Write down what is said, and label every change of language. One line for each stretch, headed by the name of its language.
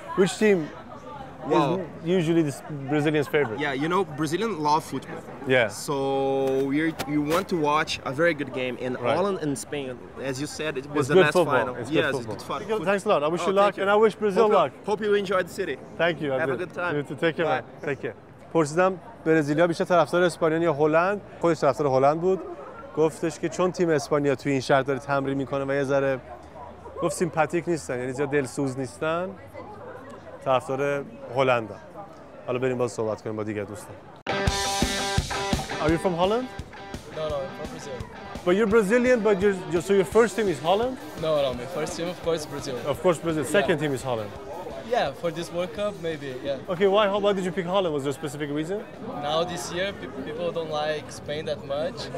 English: Which team is usually the Brazilian's favorite? Yeah, you know, Brazilians love football. Yeah. So you want to watch a very good game in Holland and Spain. As you said, it was the best final. It's good football. Thanks a lot. I wish you luck and I wish Brazil luck. Hope you enjoy the city. Thank you. Have a good time. You too. Take care. Thank you.
Persian: پرسیدم برزیلیا بیشتر طرفدار اسپانیا یا هلند؟ خودش طرفدار هلند بود. گفتش که چون تیم اسپانیا تو این شهر داره تمرین میکنه و یه ذره گفت سیمپاتیک نیستن، یعنی زیاد دلسوز نیستن، طرفدار هلند. حالا بریم باز صحبت کنیم با دیگه دوستان.
English: Are you from Holland? No, I'm from Brazil. But you're Brazilian, but you're so your first team is Holland? No, no, my first team of course Brazil. Of course Brazil. Second team is Holland. Yeah, for this World Cup maybe, yeah. Okay, why did you pick Holland? Was there a specific reason? Now this year people don't like Spain that much.